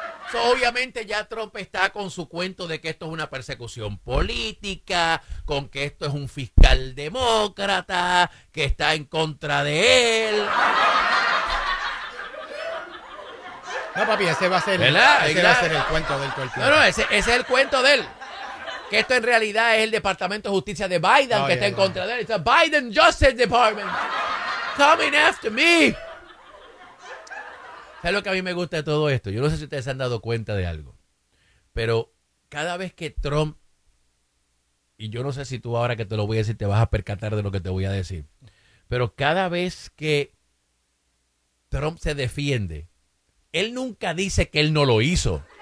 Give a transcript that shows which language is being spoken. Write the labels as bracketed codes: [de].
[es] So, obviamente ya Trump está con su cuento de que esto es una persecución política, con que esto es un fiscal demócrata que está en contra de él. No, papi, ese va a ser, va a ser el cuento del cuerpo. No, ese es el cuento de él. Que esto en realidad es el Departamento de Justicia de Biden está en contra de él. [en] It's a Biden Justice Department coming after me. [es] ¿Sabes lo que a mí me gusta de todo esto? Yo no sé si ustedes se han dado cuenta de algo. Pero cada vez que Trump, y yo no sé si tú ahora que te lo voy a decir te vas a percatar de lo que te voy a decir, pero cada vez que Trump se defiende, él nunca dice que él no lo hizo.